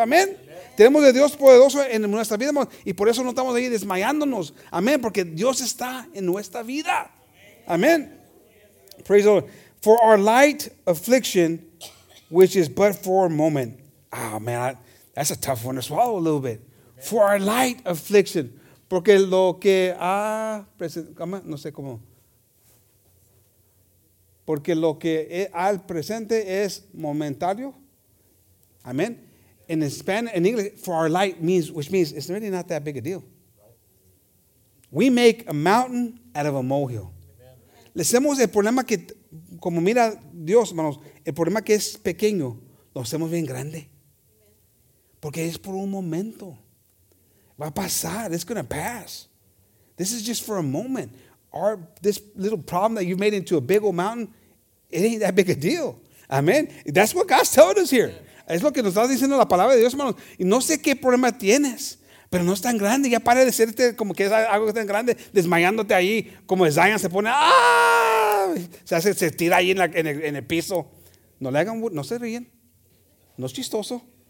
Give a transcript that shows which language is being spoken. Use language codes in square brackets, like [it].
[es] Amen. Tenemos a Dios poderoso en nuestra vida. Y por eso no estamos ahí desmayándonos. Amen. Porque Dios está en nuestra vida. Amen. [en] Praise the Lord. For our light affliction, which is but for a moment. Oh, man, that's a tough one to swallow a little bit. For our light affliction. [es] Porque lo que ha presente, no sé cómo. Porque lo que al presente es momentario. Amen. [en] In Spanish, in English, for our light means, which means it's really not that big a deal. We make a mountain out of a molehill. [es] Le hacemos el problema que, como mira Dios, hermanos, el problema que es pequeño, lo hacemos bien grande. Porque es por un momento. Va a pasar. [en] It's going to pass. This is just for a moment. This little problem that you've made into a big old mountain, it ain't that big a deal. Amen. That's what God's telling us here. [es] Es lo que nos está diciendo la palabra de Dios, hermanos. Y no sé qué problema tienes, pero no es tan grande. Ya para de serte como que es algo tan grande, desmayándote ahí, como Zion se pone, ¡ah! Se tira ahí en el piso. No le hagan, no se ríen. No es chistoso.